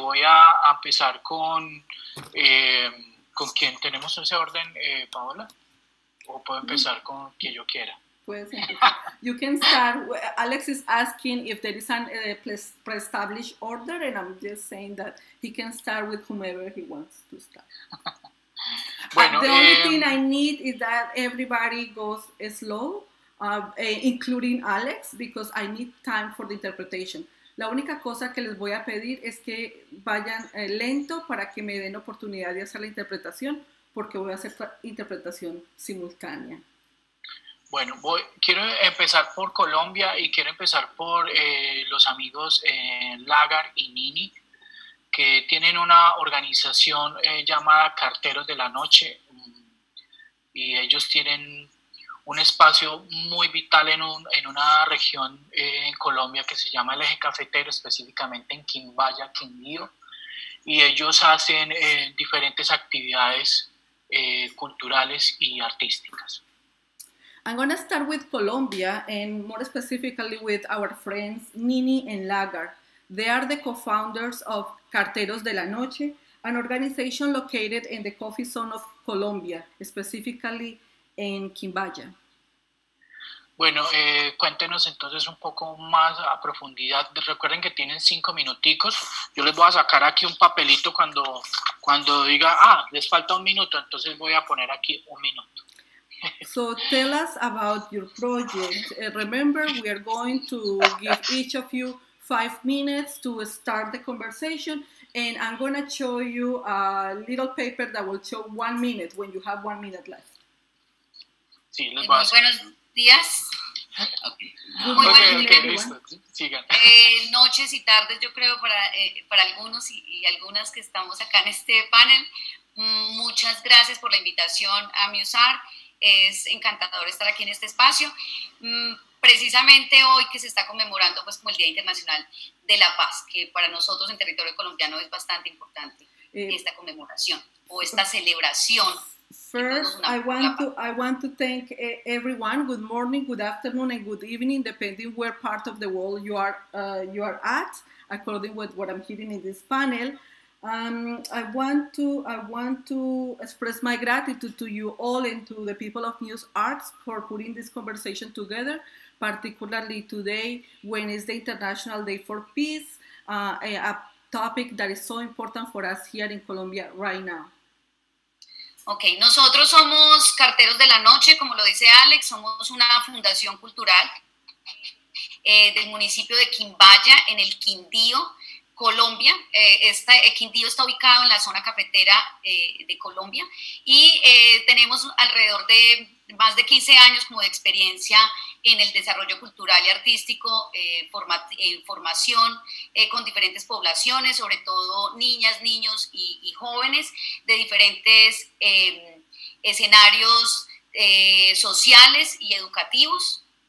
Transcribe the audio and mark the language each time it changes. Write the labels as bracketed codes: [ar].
[es] Voy a empezar con quien tenemos ese orden, Paola, o puedo empezar con quien yo quiera. [en] Pues, you can start. Alex is asking if there is a pre-established order, and I'm just saying that he can start with whomever he wants to start. Bueno, the only thing I need is that everybody goes slow, including Alex, because I need time for the interpretation. [es] La única cosa que les voy a pedir es que vayan lento para que me den oportunidad de hacer la interpretación, porque voy a hacer interpretación simultánea. Bueno, quiero empezar por Colombia y quiero empezar por los amigos Lagar y Nini, que tienen una organización llamada Carteros de la Noche, y ellos tienen un espacio muy vital en una región en Colombia que se llama el Eje Cafetero, específicamente en Quimbaya, Quindío, y ellos hacen diferentes actividades culturales y artísticas. [en] I'm going to start with Colombia, and more specifically with our friends Nini and Lagar. They are the co-founders of Carteros de la Noche, an organization located in the coffee zone of Colombia, specifically in Quimbaya. [es] Bueno, cuéntenos entonces un poco más a profundidad. Recuerden que tienen 5 minuticos. Yo les voy a sacar aquí un papelito cuando diga, les falta 1 minuto, entonces voy a poner aquí 1 minuto. [en] So tell us about your project. Remember, we are going to give each of you 5 minutes to start the conversation, and I'm going to show you a little paper that will show 1 minute when you have 1 minute left. [es] Sí, muy buenos días. Okay. Muy buenos días. Okay, listo. Sigan. Noches y tardes, yo creo, para algunos y algunas que estamos acá en este panel. Muchas gracias por la invitación a Muse Art. Es encantador estar aquí en este espacio, precisamente hoy que se está conmemorando pues como el Día Internacional de la Paz, que para nosotros en territorio colombiano es bastante importante esta conmemoración o esta celebración. [en] First, I want to thank everyone. Good morning, good afternoon, and good evening, depending where part of the world you are at, according with what I'm hearing in this panel. I want to express my gratitude to you all and to the people of Muse Arts for putting this conversation together, particularly today when is the International Day for Peace, a topic that is so important for us here in Colombia right now? [es] Okay, nosotros somos Carteros de la Noche, como lo dice Alex, somos una fundación cultural del municipio de Quimbaya, en el Quindío, Colombia. El Quindío está ubicado en la zona cafetera de Colombia y tenemos alrededor de más de 15 años como de experiencia en el desarrollo cultural y artístico, formación con diferentes poblaciones, sobre todo niñas, niños y jóvenes de diferentes escenarios sociales y educativos.